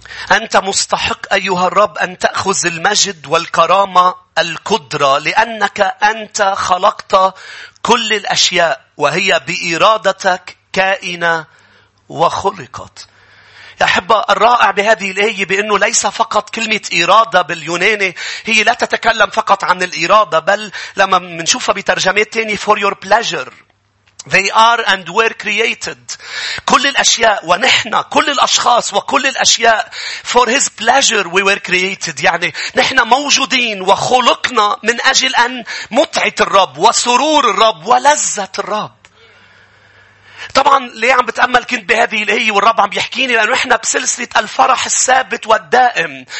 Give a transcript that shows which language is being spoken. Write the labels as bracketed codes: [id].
[ar] أنت مستحق أيها الرب أن تأخذ المجد والكرامة القدرة لأنك أنت خلقت كل الأشياء وهي بإرادتك كائنة وخلقت. يا أحبة الرائع بهذه الآية بأنه ليس فقط كلمة إرادة باليوناني هي لا تتكلم فقط عن الإرادة بل لما منشوفها بترجمات تانية [en] for your pleasure. They are and were created. [ar] كل الأشياء ونحن كل الأشخاص وكل الأشياء [en] for his pleasure we were created. [ar] يعني نحن موجودين وخلقنا من أجل أن متعة الرب وسرور الرب ولذة الرب. طبعا ليه عم بتأمل كنت بهذه الآية والرب عم بيحكيني لأنه إحنا بسلسلة الفرح الثابت والدائم.